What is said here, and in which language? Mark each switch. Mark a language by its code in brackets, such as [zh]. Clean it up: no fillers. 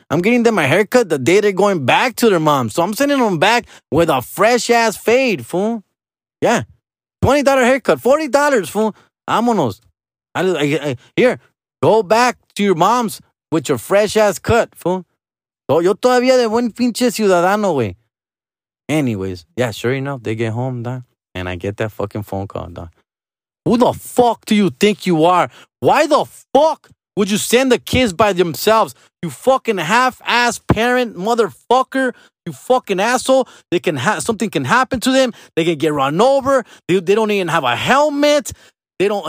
[en] I'm getting them a haircut the day they're going back to their mom. So I'm sending them back with a fresh-ass fade, fool. Yeah. $20 haircut. $40, fool. Vámonos. Here. Go back to your mom's with your fresh-ass cut, fool. [es] Oh, yo todavía de buen pinche ciudadano, güey. [en] Anyways. Yeah, sure enough, they get home, dog. And I get that fucking phone call, dog. Who the fuck do you think you are? Why the fuck would you send the kids by themselves? You fucking half-ass parent, motherfucker. You fucking asshole. Something can happen to them. They can get run over. They don't even have a helmet. They don't.